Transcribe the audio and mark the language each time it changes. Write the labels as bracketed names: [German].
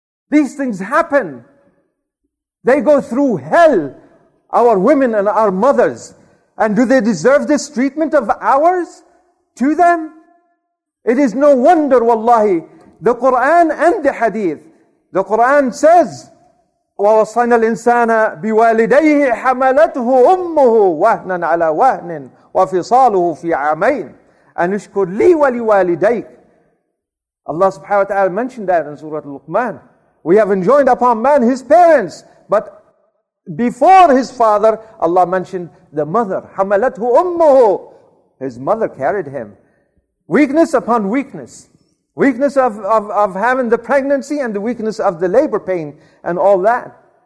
[English] These things happen. They go through hell. Our women and our mothers. And do they deserve this treatment of ours to them? It is no wonder, wallahi, the Quran and the hadith. The Quran says, [Arabic] وَوَصَّيْنَا الْإِنسَانَ بِوَالِدَيْهِ حَمَلَتْهُ أُمُّهُ وَهْنًا عَلَى وَهْنٍ وَفِصَالُهُ فِي عَامَيْنِ أَنُشْكُرْ لِي وَلِوَالِدَيْكَ. [English] Allah subhanahu wa ta'ala mentioned that in Surah Luqman. We have enjoined upon man his parents, but before his father, Allah mentioned the mother. [Arabic] حَمَلَتْهُ أُمُّهُ. [English] His mother carried him. Weakness upon weakness. Weakness of having the pregnancy and the weakness of the labor pain and all that.